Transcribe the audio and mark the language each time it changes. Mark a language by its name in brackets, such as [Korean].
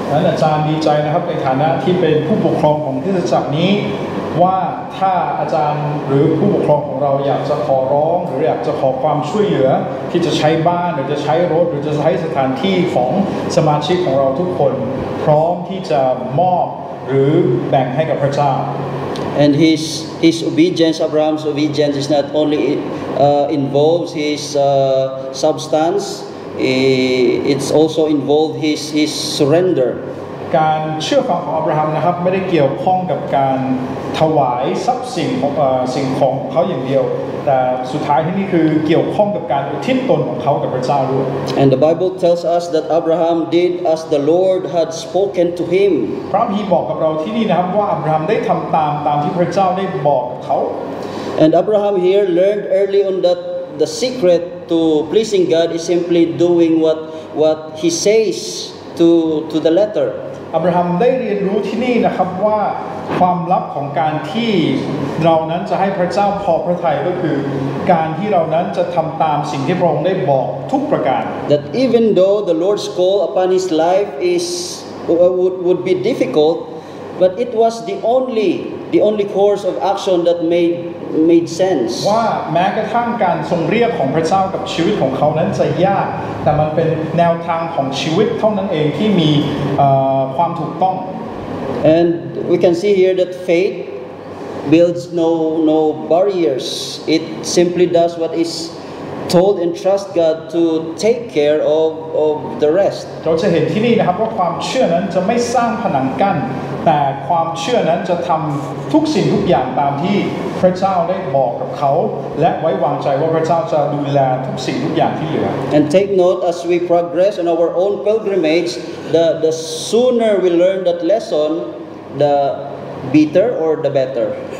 [Thai] อาจารย์ดีใจนะครับในฐานะที่เป็นผู้ปกครองของคริสตจักรนี้ว่าถ้าอาจารย์หรือผู้ปกครองของเราอยากจะขอร้องหรืออยากจะขอความช่วยเหลือที่จะใช้บ้านหรือจะใช้รถหรือจะใช้สถานที่ของสมาชิกของเราทุกคนพร้อมที่จะมอบหรือแบ่งให้กับพระเจ้า [English] And his obedience Abraham's obedience is not only involves his substanceIt's also involved his surrender. [Thai] การเชื่อฟังของอับราฮัมนะครับไม่ได้เกี่ยวข้องกับการถวายทรัพย์สินของสิ่งของเขาอย่างเดียวแต่สุดท้ายที่นี่คือเกี่ยวข้องกับการอุทิศตนของเขากับพระเจ้าด้วย [English] And the Bible tells us that Abraham did as the Lord had spoken to him. [Thai] พระคัมภีร์บอกกับเราที่นี่นะครับว่าอับราฮัมได้ทำตามที่พระเจ้าได้บอกเขา [English] And Abraham here learned early on that the secret. To pleasing God is simply doing what He says to the letter. [Thai] Abraham ได้เรียนรู้ที่นี่นะครับว่าความลับของการที่เรานั้นจะให้พระเจ้าพอพระทัยก็คือการที่เรานั้นจะทำตามสิ่งที่พระองค์ได้บอกทุกประการ [English] That even though the Lord's call upon his life is would be difficult, but it was the only course of action that made sense [Thai] ว่าแม้กระทั่งการทรงเรียกของพระเจ้ากับชีวิตของเขานั้นจะยากแต่มันเป็นแนวทางของชีวิตเท่านั้นเองที่มีความถูกต้อง [English] and we can see here that faith builds no barriers it simply does what is told and trust God to take care of the rest [Thai] เราจะเห็นที่นี่นะครับว่าความเชื่อนั้นจะไม่สร้างผนังกั้นแต่ความเชื่อนั้นจะทำทุกสิ่งทุกอย่างตามที่พระเจ้าได้บอกกับเขาและไว้วางใจว่าพระเจ้าจะดูแลทุกสิ่งทุกอย่างที่เหลือ [English] And take note as we progress in our own pilgrimage the sooner we learn that lesson the better or the better